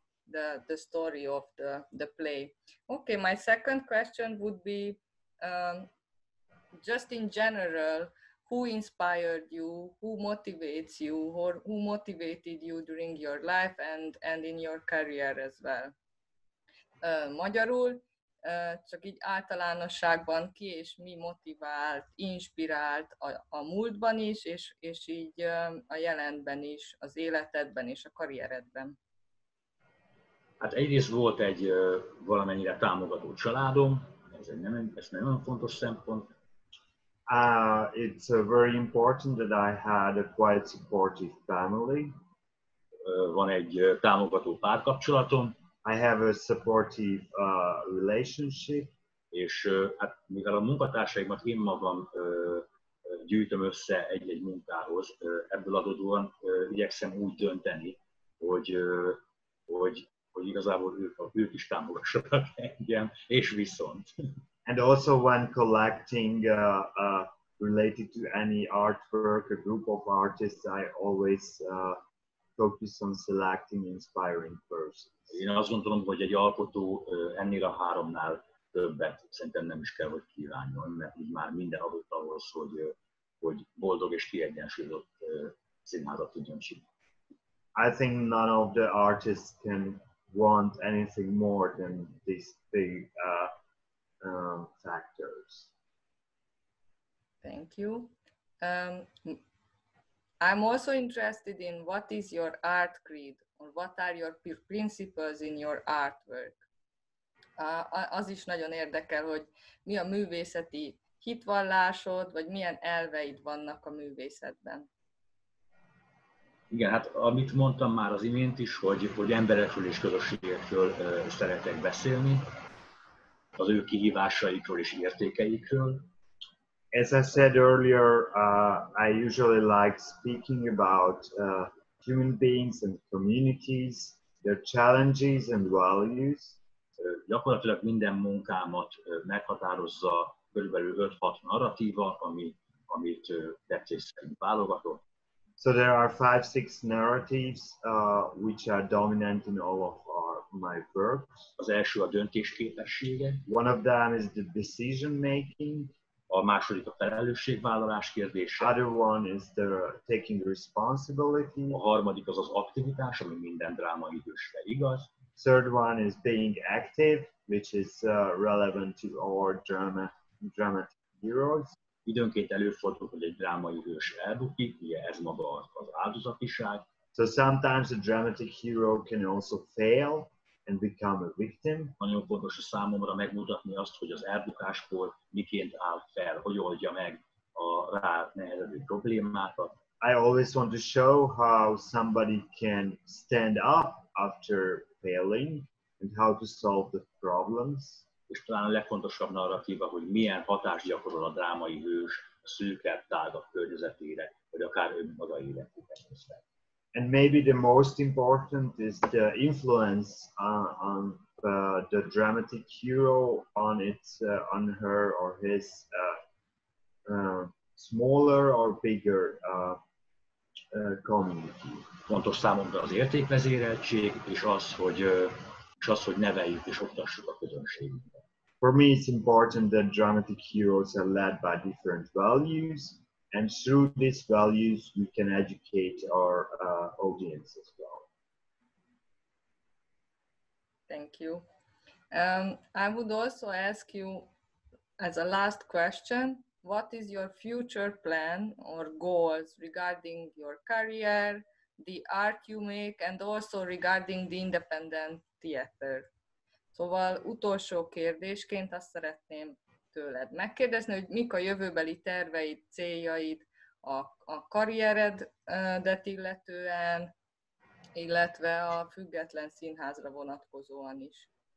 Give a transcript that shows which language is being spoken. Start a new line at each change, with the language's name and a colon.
English: The story of the play. Okay, my second question would be, just in general, who inspired you, who motivates you, or who motivated you during your life and in your career as well?
Hungarian: Magyarul, csak így általánosságban ki és mi motivált, inspirált a múltban is, és így a jelenben is, az életedben és a karrieredben. Hát egyrészt volt egy valamennyire támogató családom, ez nem olyan fontos szempont.
English: It's very important that I had a quite supportive family.
Hungarian: Van egy támogató párkapcsolatom.
English: I have a supportive relationship.
Hungarian: És hát mivel a munkatársaimat én magam gyűjtöm össze egy-egy munkához, ebből adódóan igyekszem úgy dönteni, hogy igazából ők is támogassanak engem, és viszont.
English: And also when collecting related to any artwork, a group of artists, I always focus on selecting inspiring persons.
Hungarian: Én azt gondolom, hogy egy alkotó ennél a háromnál többet szerintem nem is kell, hogy kívánjon, mert így már minden adott ahhoz, hogy boldog és kiegyensúlyozott színházat tudjon csinálni.
English: I think none of the artists can want anything more than these big factors. Thank you. I'm also interested in what is your art creed, or what are your principles in your artwork?
Hungarian: Az is nagyon érdekel, hogy mi a művészeti hitvallásod, vagy milyen elveid vannak a művészetben. Igen, hát amit mondtam már az imént is, hogy emberekről és közösségekről szeretek beszélni, az ő kihívásaikról és értékeikről.
English: As I said earlier, I usually like speaking about human beings and communities, their challenges and values.
Hungarian: Gyakorlatilag minden munkámat meghatározza körülbelül 5-6 narratíva, amit tetszés szerint válogatok.
English: So there are 5-6 narratives which are dominant in all of my works.
Hungarian: Az első a döntésképessége.
English: One of them is the decision making.
Hungarian: A második a felelősségvállalás kérdése.
English: Other one is the taking responsibility.
Hungarian: A harmadik az aktivitás, ami minden dráma idősre igaz.
English: Third one is being active, which is relevant to our dramatic heroes.
Hungarian: Időnként előfordul, hogy egy drámai hős elbukik, ugye ez maga az áldozatiság.
English: So sometimes a dramatic hero can also fail and become a victim.
Hungarian: Nagyon fontos a számomra megmutatni azt, hogy az elbukáskor miként áll fel, hogy oldja meg a rá nehezedő problémákat.
English: I always want to show how somebody can stand up after failing and how to solve the problems.
Hungarian: És talán a legfontosabb narratíva, hogy milyen hatást gyakorol a drámai hős a szűkebb, tágabb környezetére, vagy akár önmaga életére.
English: And maybe the most important is the influence on the dramatic hero on its on her or his smaller or bigger community.
Hungarian: Fontos számomra az értékvezéreltség és az, hogy neveljük és oktassuk a közönségünket.
English: For me, it's important that dramatic heroes are led by different values, and through these values, we can educate our audience as well. Thank you. I would also ask you, as a last question, what is your future plan or goals regarding your career, the art you make, and also regarding the independent theater?
Hungarian: Szóval utolsó kérdésként azt szeretném tőled megkérdezni, hogy mik a jövőbeli terveid, céljaid a karrieredet illetően, illetve a független színházra vonatkozóan is.